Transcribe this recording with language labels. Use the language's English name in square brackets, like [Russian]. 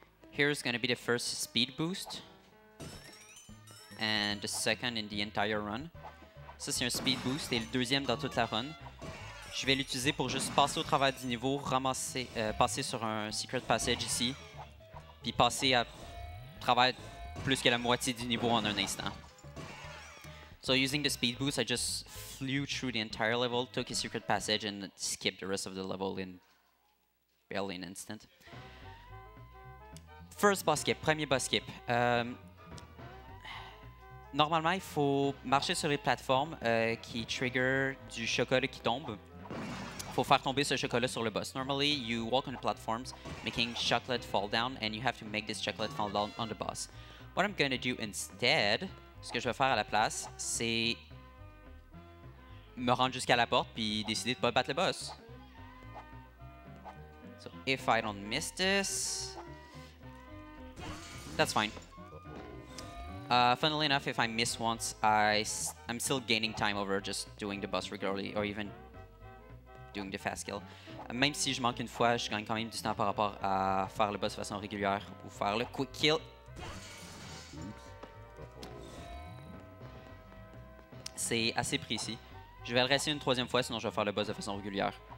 [English] Here's gonna be the first speed boost, and the second in the entire run. [French] Ça c'est un speed boost et le deuxième dans toute la run. Je vais l'utiliser pour juste passer au travers du niveau, ramasser, passer sur un secret passage ici, puis passer à travers plus que la moitié du niveau en un instant. [English] So using the speed boost, I just flew through the entire level, took a secret passage and skipped the rest of the level in barely an instant. First boss skip, [French] premier boss skip. Normalement, il faut marcher sur les plateformes qui trigger du chocolat qui tombe. Il faut faire tomber ce chocolat sur le boss. [English] Normally, you walk on the platforms, making chocolate fall down, and you have to make this chocolate fall down on the boss. What I'm gonna do instead, [French] ce que je vais faire à la place, c'est me rendre jusqu'à la porte puis décider de pas battre le boss. [English] So, if I don't miss this... That's fine. Funnily enough, if I miss once, I'm still gaining time over just doing the boss regularly, or even doing the fast kill. [French] Même si je manque une fois, je gagne quand même du temps par rapport à faire le boss de façon régulière ou faire le quick kill. C'est assez précis. Je vais le rester une troisième fois, sinon je vais faire le boss de façon régulière.